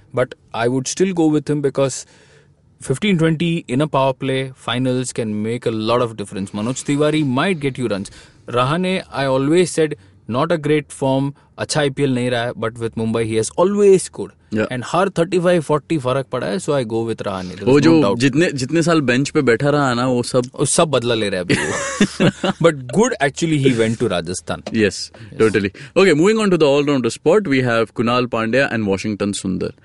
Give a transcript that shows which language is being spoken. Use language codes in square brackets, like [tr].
[en] But I would still go with him because 15-20 in a power play, finals can make a lot of difference. Manoj Tiwari might get you runs. Rahane, I always said, not a great form, [hi] अच्छा IPL नहीं रहा है, [en] but with Mumbai he has always scored. Yeah. And [hi] हर 35-40 फर्क पड़ा है, [en] so I go with Rahane. [hi] वो जो जितने साल bench पे बैठा रहा है ना, वो सब बदला ले रहा है अभी. [en] But good actually he went to Rajasthan. Yes, totally. Okay, moving on to the all-rounder spot, we have Kunal Pandya and Washington Sundar.